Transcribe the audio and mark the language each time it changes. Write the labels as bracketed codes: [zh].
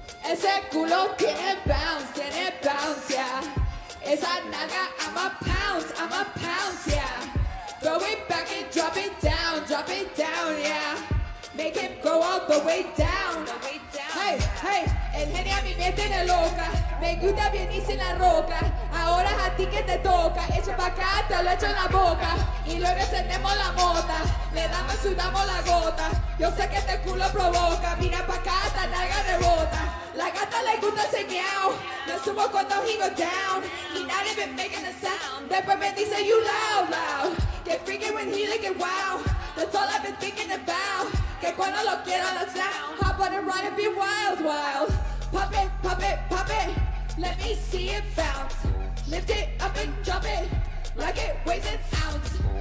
[es] Ese culo tiene bounce, yeah. Esa nalga, [en] I'ma pounce, yeah. Throw it back and drop it down, yeah. Make it go all the way down, hey, hey. [es] El genio a mi me tiene loca, me gusta bien y sin la roca. Ahora es a ti que te toca, echa pa' acá, te lo echo en la boca. Y luego encendemos la mota, le damos y sudamos la gota. Yo sé que este culo provoca, mira pa' acá, esta nalga rebota. La gata le gusta ese meow, me subo cuando [en] he go down. He not even making a sound, [es] después me dice [en] you loud, loud. Get freaking when he like it wow, that's all I've been thinking about. [es] Que cuando lo quiero, [en] that's now. Hop on and run and be wild, wild. Pop it, pop it, pop it, let me see it bounce. Lift it up and drop it, like it weighs an ounce.